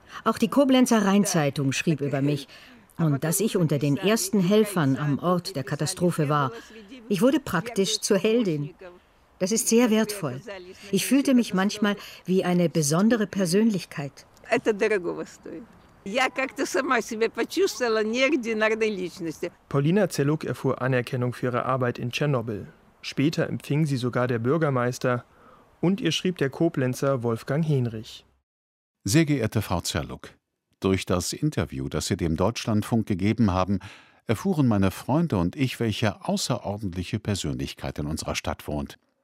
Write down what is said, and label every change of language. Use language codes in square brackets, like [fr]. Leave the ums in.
[de] Auch die Koblenzer Rheinzeitung schrieb über mich und dass ich unter den ersten Helfern am Ort der Katastrophe war. Ich wurde praktisch zur Heldin. Das ist sehr wertvoll. Ich fühlte mich manchmal wie eine besondere Persönlichkeit. [ru] Это дорогого стоит. Я как-то сама себя почувствовала неординарной личностью. [de] Paulina Zelluk erfuhr Anerkennung für ihre Arbeit in Tschernobyl. Später empfing sie sogar der Bürgermeister und ihr schrieb der Koblenzer Wolfgang Henrich. Sehr geehrte Frau Zerluck, durch das Interview, das Sie dem Deutschlandfunk gegeben haben, erfuhren meine Freunde und ich, welche außerordentliche Persönlichkeit in unserer Stadt wohnt.